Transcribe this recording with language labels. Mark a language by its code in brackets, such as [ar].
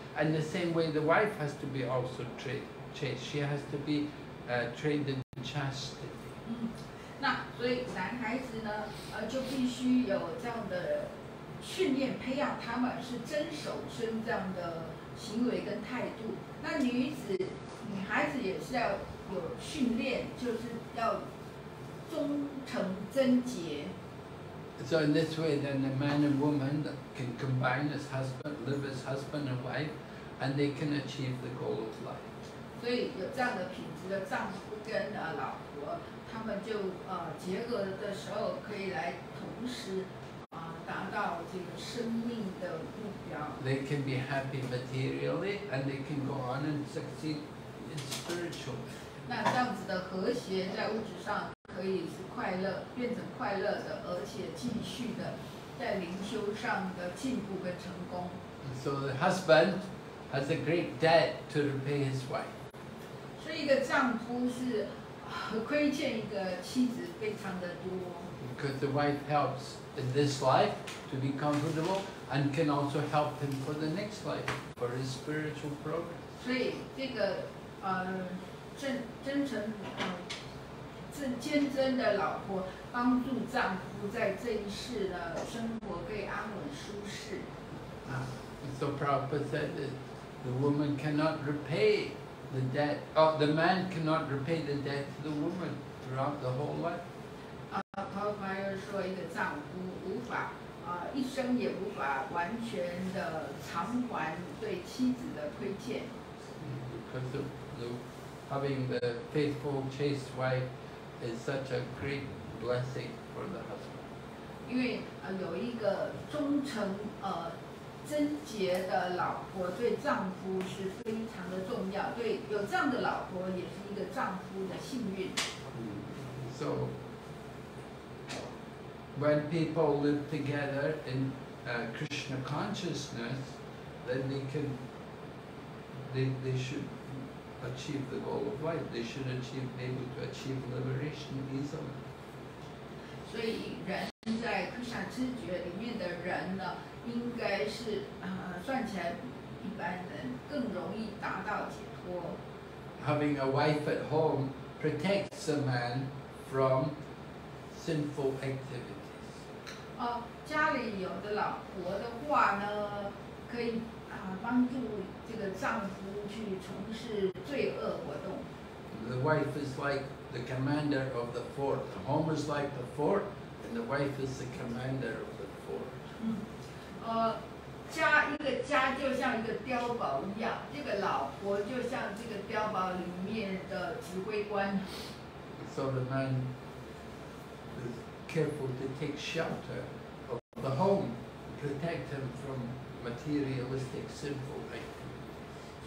[en] And the same way, the wife has to be also trained. She has to be trained in chastity. [zh] 那所以男孩子呢，就必须有这样的训练，培养他们是真守身这样的行为跟态度。那女孩子也是要有训练，就是要忠诚贞洁。 [en] So in this way, then the man and woman can combine as husband, live as husband and wife, and they can achieve the goal of life. [zh] 所以有这样的品质的丈夫跟老婆，他们就结合的时候可以来同时达到这个生命的目标。 [en] They can be happy materially, and they can go on and succeed in spiritual. [zh] 那这样子的和谐在物质上可以是快乐，变成快乐的，而且继续的在灵修上的进步跟成功。 [en] So the husband has a great debt to repay his wife. [zh] 所以一个丈夫是亏欠一个妻子非常的多。 [en] Because the wife helps in this life to be comfortable and can also help him for the next life for his spiritual progress. [zh] 所以这个真诚坚贞的老婆帮助丈夫在这一世的生活可以安稳舒适。 [en] So Prabhupada said that the woman cannot repay the debt, the man cannot repay the debt to the woman throughout the whole life. [zh] Prabhupada 又说一个丈夫无法一生也无法完全的偿还对妻子的亏欠。 [en] Because of the, having the faithful, chaste wife is such a great blessing for the husband. [zh] 因为有一个忠诚贞洁的老婆对丈夫是非常的重要，对有这样的老婆也是一个丈夫的幸运。 [en] So when people live together in Krishna consciousness, then they should achieve the goal of life. They should achieve, be able to achieve liberation easily. [zh] 所以人在 Krishna 知觉里面的人呢，应该是算起来一般人更容易达到解脱。 [en] Having a wife at home protects a man from sinful activities. [zh] 家里有的老婆的话呢，可以帮助这个丈夫去从事罪恶活动。 [en] The wife is like the commander of the fort. The home is like the fort, and the wife is the commander of the fort. [zh] 家一个家就像一个碉堡一样，这个老婆就像这个碉堡里面的指挥官。 [en] So the man is careful to take shelter of the home, protect him from materialistic sinful activities.